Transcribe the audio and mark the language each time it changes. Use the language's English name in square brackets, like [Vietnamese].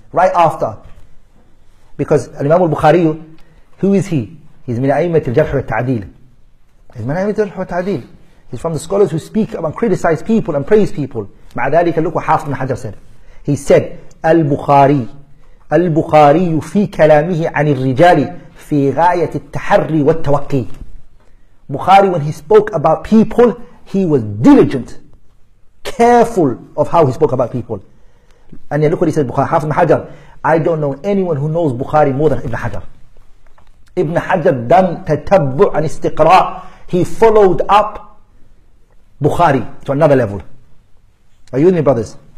[English] Right after. Because Imam al-Bukhari, who is he? He's min a'immat al-jarh wa ta'dil. He's min a'immat al-jarh wa ta'dil. He's from the scholars who speak and criticize people and praise people. Ma'adhalika, look what Hafiz ibn Hajar said. He said, al-Bukhari, [Arabic] البخاري في كلامه عن الرجال في غاية التحري والتوقي. [English] Bukhari, when he spoke about people, he was diligent, careful of how he spoke about people. And look what he said, Bukhari, Hafiz Ibn Hajar, I don't know anyone who knows Bukhari more than Ibn Hajar. Ibn Hajar done tatabbu' and istiqra', he followed up Bukhari to another level. Are you with me, brothers?